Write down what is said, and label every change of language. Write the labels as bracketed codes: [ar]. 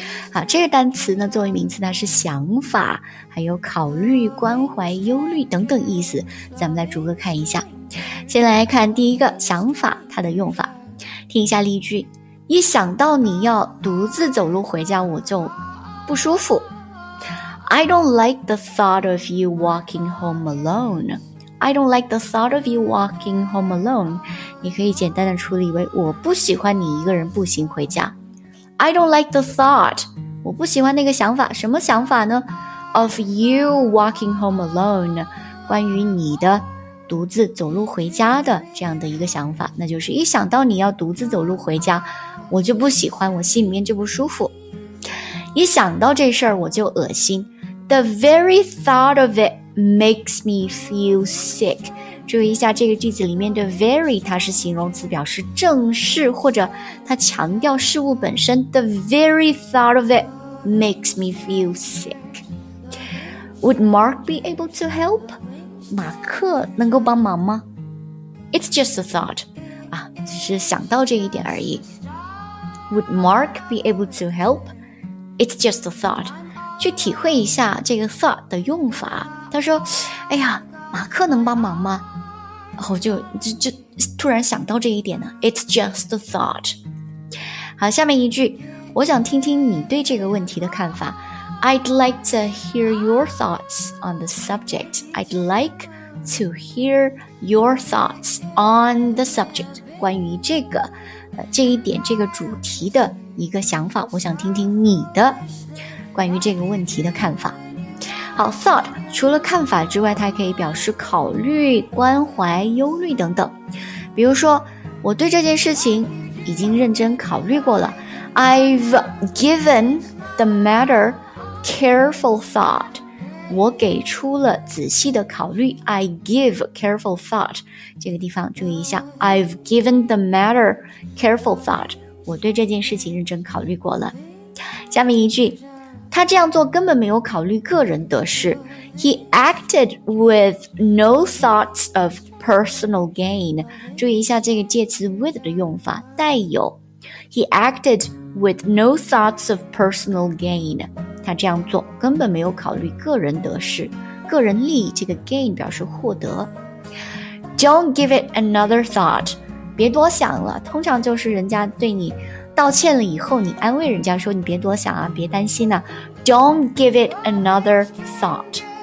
[zh] 好，这个单词呢作为名词它是想法，还有考虑、关怀、忧虑等等意思，咱们来逐个看一下。先来看第一个想法，它的用法，听一下例句。一想到你要独自走路回家我就不舒服。 [en] I don't like the thought of you walking home alone. I don't like the thought of you walking home alone. [zh] 你可以简单的处理为我不喜欢你一个人步行回家。 [en] I don't like the thought, [zh] 我不喜欢那个想法，什么想法呢？ [en] Of you walking home alone, [zh] 关于你的独自走路回家的这样的一个想法，那就是一想到你要独自走路回家，我就不喜欢，我心里面就不舒服。一想到这事儿我就恶心。 [en] The very thought of it makes me feel sick. [zh] 注意一下这个句子里面的 very, 它是形容词表示正式或者它强调事物本身。 [en] The very thought of it makes me feel sick. Would Mark be able to help? [zh] 马克能够帮忙吗？ [en] It's just a thought. [zh] 啊，只是想到这一点而已。 [en] Would Mark be able to help? It's just a thought. [zh] 去体会一下这个 thought 的用法。他说，哎呀，马克能帮忙吗？然后就突然想到这一点呢。 [en] It's just a thought. [zh] 好，下面一句，我想听听你对这个问题的看法。 [en] I'd like to hear your thoughts on the subject. I'd like to hear your thoughts on the subject. [zh] 关于这个这一点这个主题的一个想法，我想听听你的关于这个问题的看法。好， thought 除了看法之外，它还可以表示考虑、关怀、忧虑等等。比如说，我对这件事情已经认真考虑过了。 [en] I've given the matter careful thought. [zh] 我给出了仔细的考虑。 [en] I give careful thought. [zh] 这个地方注意一下。 [en] I've given the matter careful thought. [zh] 我对这件事情认真考虑过了。下面一句，他这样做根本没有考虑个人得失。 [en] He acted with no thoughts of personal gain. [zh] 注意一下这个介词 with 的用法，带有。 [en] He acted with no thoughts of personal gain. [zh] 他这样做根本没有考虑个人得失。个人利益，这个 gain 表示获得。 [en] Don't give it another thought. [zh] 别多想了，通常就是人家对你道歉了以后，你安慰人家说你别多想啊，别担心啊。 [en] Don't give it another thought.